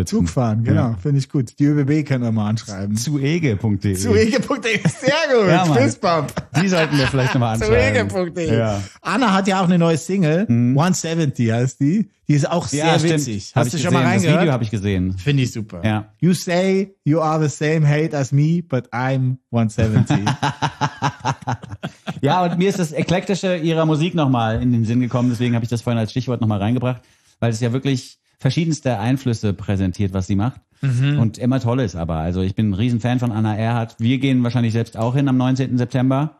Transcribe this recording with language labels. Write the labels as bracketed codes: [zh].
[de] Ja, Zugfahren, genau, ja. Finde ich gut. Die ÖBB können wir mal anschreiben. Zuege.de. Zuege.de, sehr gut. Ja, Fistbump. Die sollten wir vielleicht nochmal anschreiben. Zuege.de. Ja. Anna hat ja auch eine neue Single, 170 heißt die. Die ist auch sehr, ja, witzig. Hast du schon mal reingehört? Das Video habe ich gesehen. Finde ich super. Ja. [en] You say you are the same hate as me, but I'm 170. [de] Ja, und mir ist das Eklektische ihrer Musik nochmal in den Sinn gekommen. Deswegen habe ich das vorhin als Stichwort nochmal reingebracht, weil es ja wirklich verschiedenste Einflüsse präsentiert, was sie macht. Mhm. Und immer toll ist aber. Also ich bin ein Riesenfan von Anna Erhardt. Wir gehen wahrscheinlich selbst auch hin am 19. September.